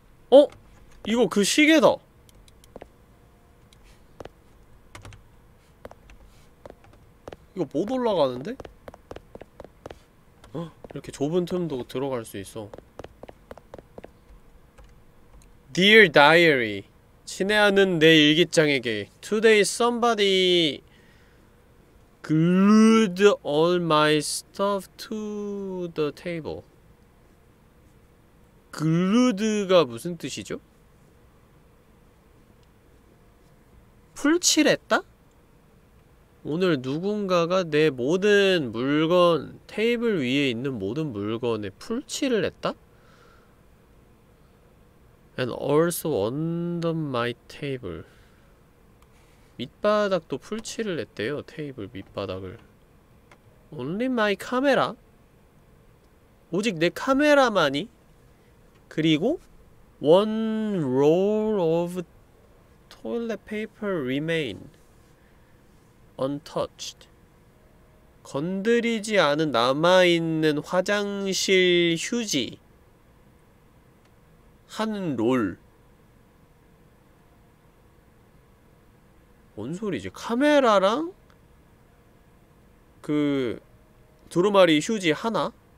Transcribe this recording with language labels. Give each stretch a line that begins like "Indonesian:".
Korean: 어? 이거 그 시계다. 이거 못 올라가는데? 어? 이렇게 좁은 틈도 들어갈 수 있어.
English: Dear Diary,
Korean: 친애하는 내 일기장에게
English: Today somebody glued all my stuff to the table.
Korean: Glued가 무슨 뜻이죠? 풀칠했다? 오늘 누군가가 내 모든 물건, 테이블 위에 있는 모든 물건에 풀칠을 했다?
English: And also under my table.
Korean: 밑바닥도 풀칠을 했대요, 테이블 밑바닥을.
English: Only my camera?
Korean: 오직 내 카메라만이?
English: 그리고 One roll of toilet paper remain untouched.
Korean: 건드리지 않은 남아있는 화장실 휴지 한 롤. 뭔 소리지? 카메라랑 그 두루마리 휴지 하나?